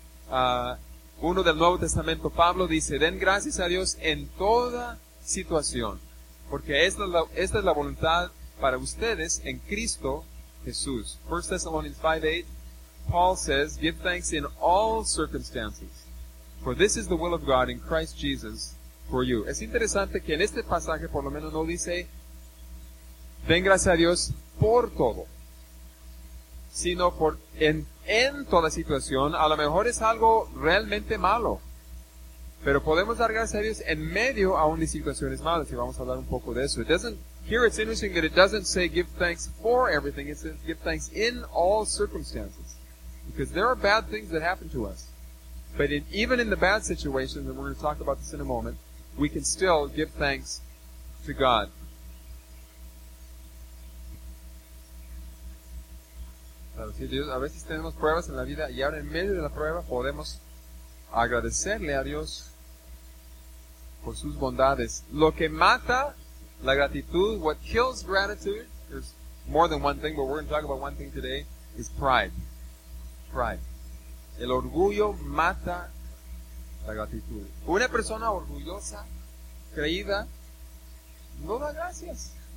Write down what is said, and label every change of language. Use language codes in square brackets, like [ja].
[es] Uno del Nuevo Testamento, Pablo dice, den gracias a Dios en toda situación, porque esta es la voluntad para ustedes en Cristo Jesús. [en] 1 Thessalonians 5:8, Paul says, give thanks in all circumstances, for this is the will of God in Christ Jesus for you. [es] Es interesante que en este pasaje por lo menos no dice, den gracias a Dios por todo, sino por en toda situación. A lo mejor es algo realmente malo, pero podemos dar gracias a Dios en medio aún de situaciones malas, y vamos a hablar un poco de eso. [en] Here it's interesting that it doesn't say give thanks for everything, it says give thanks in all circumstances. Because there are bad things that happen to us. But even in the bad situations, and we're going to talk about this in a moment, we can still give thanks to God. [es] Claro, sí, Dios, a veces tenemos pruebas en la vida, y ahora en medio de la prueba podemos agradecerle a Dios por sus bondades. Lo que mata la gratitud, [en] what kills gratitude, there's more than one thing, but we're going to talk about one thing today, is pride. [es] Pride. El orgullo mata la gratitud. Una persona orgullosa, creída, no da gracias.